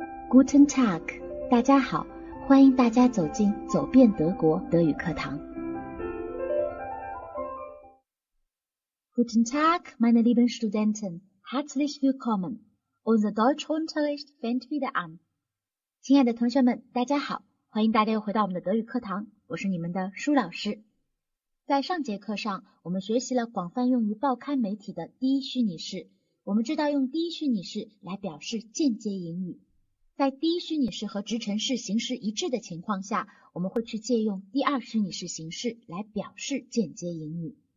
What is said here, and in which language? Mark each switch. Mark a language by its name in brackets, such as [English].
[German] Guten Tag， [Chinese] 大家好，欢迎大家走进走遍德国德语课堂。 [German] Guten Tag, meine lieben Studenten, herzlich willkommen. Unser Deutschunterricht fängt wieder an. [Chinese] 亲爱的同学们，大家好，欢迎大家又回到我们的德语课堂，我是你们的舒老师。在上节课上，我们学习了广泛用于报刊媒体的第一虚拟式。我们知道用第一虚拟式来表示间接引语。在第一虚拟式和直陈式形式一致的情况下，我们会去借用第二虚拟式形式来表示间接引语。